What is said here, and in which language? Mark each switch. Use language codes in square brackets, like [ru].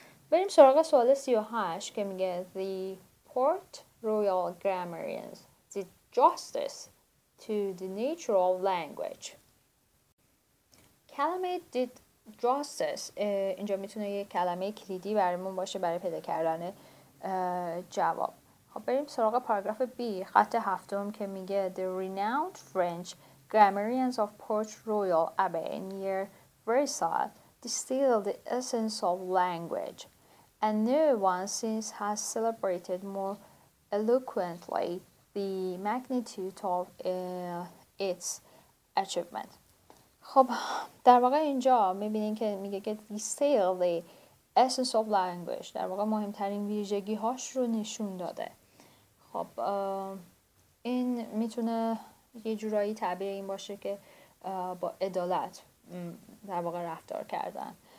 [fa] بریم سراغ سوال 38 که میگه [en] the port royal grammarians did justice to the natural language. [fa] کلمه [en] did justice [fa] اینجا میتونه یه کلمه کلیدی برامون باشه برای پیدا کردن جواب. خب بریم سراغ پاراگراف B خط هفتم که میگه [en] the renowned French grammarians of Port Royal Abbey near Versailles distilled the essence of language and no one since has celebrated more eloquently the magnitude of its achievement. [fa] خب در واقع اینجا میبینین که میگه که [en] distilled the essence of language [fa] در واقع مهمترین ویژگی هاش رو نشون داده. خب این میتونه یه جورایی تعبیر این باشه که با عدالت در واقع رفتار کردن.